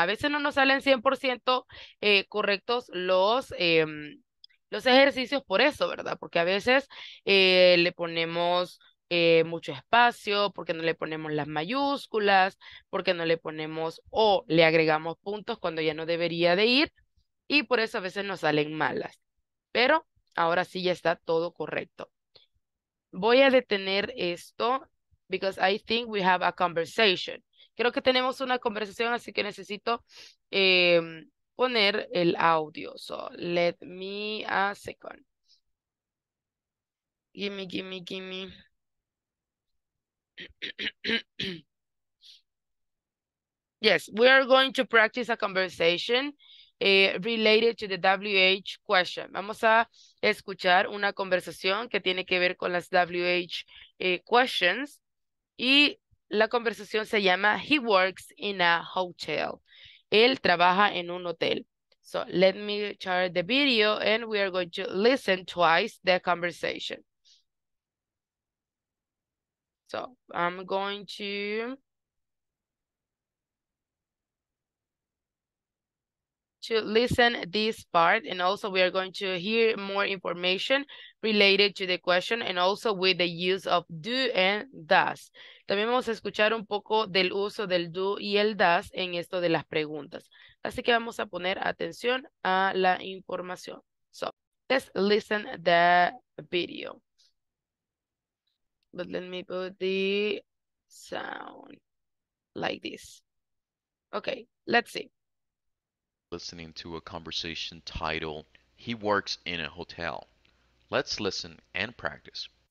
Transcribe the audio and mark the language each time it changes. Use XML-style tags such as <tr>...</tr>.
<es>A veces no nos salen 100% correctos los ejercicios por eso, ¿verdad? Porque a veces le ponemos mucho espacio, porque no le ponemos las mayúsculas, porque no le ponemos o le agregamos puntos cuando ya no debería de ir, y por eso a veces nos salen malas. Pero ahora sí ya está todo correcto. Voy a detener esto</es> <en>because I think we have a conversation.</en> <es>Creo que tenemos una conversación, así que necesito poner el audio.</es> <en>So, let me a second. Gimme, gimme, gimme. Yes, we are going to practice a conversation related to the WH question.</en> <es>Vamos a escuchar una conversación que tiene que ver con las WH questions. Y la conversación se llama He works in a hotel. Él trabaja en un hotel.</es> <en>So let me share the video and we are going to listen twice the conversation. So I'm going to... to listen this part, and also we are going to hear more information related to the question and also with the use of do and does.</en> <es>También vamos a escuchar un poco del uso del do y el does en esto de las preguntas. Así que vamos a poner atención a la información.</es> <en>So, let's listen the video. But let me put the sound like this. Okay, let's see. Listening to a conversation titled, He Works in a Hotel. Let's listen and practice.</en>